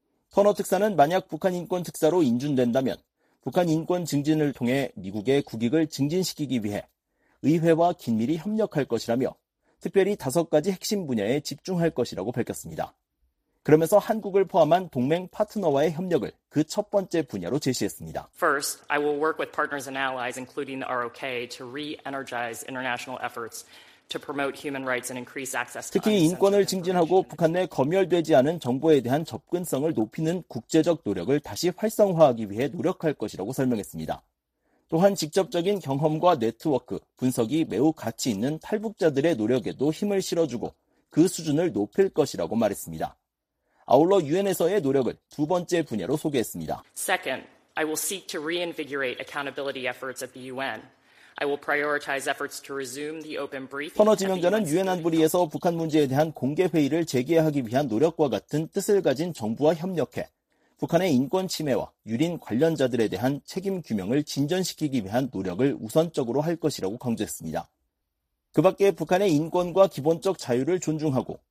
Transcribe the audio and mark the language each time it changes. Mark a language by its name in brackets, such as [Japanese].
[Korean] 터너 특사는 만약 북한 인권특사로 인준된다면 북한 인권 증진을 통해 미국의 국익을 증진시키기 위해 의회와 긴밀히 협력할 것이라며 특별히 5가지 핵심 분야에 집중할 것이라고 밝혔습니다. 그러면서 한국을 포함한 동맹 파트너와의 협력을 그 첫 번째 분야로 제시했습니다. [English] First, I will work with partners and allies, including the ROK, to re-energize international efforts to promote human rights and increase access. [Korean] 특히 인권을 증진하고 북한 내 검열되지 않은 정보에 대한 접근성을 높이는 국제적 노력을 다시 활성화하기 위해 노력할 것이라고 설명했습니다. 또한 직접적인 경험과 네트워크, 분석이 매우 가치 있는 탈북자들의 노력에도 힘을 실어주고 그 수준을 높일 것이라고 말했습니다. 아울러 유엔에서의 노력을 두 번째 분야로 소개했습니다. [English] Second, I will seek to reinvigorate accountability efforts at the UN. I will prioritize efforts to resume the open briefing. [Korean] 터너 지명자는 유엔 안보리에서 북한 문제에 대한 공개 회의를 재개하기 위한 노력과 같은 뜻을 가진 정부와 협력해 북한의 인권 침해와 유린 관련자들에 대한 책임 규명을 진전시키기 위한 노력을 우선적으로 할 것이라고 강조했습니다. 그 밖에 북한의 인권과 기본적 자유를 존중하고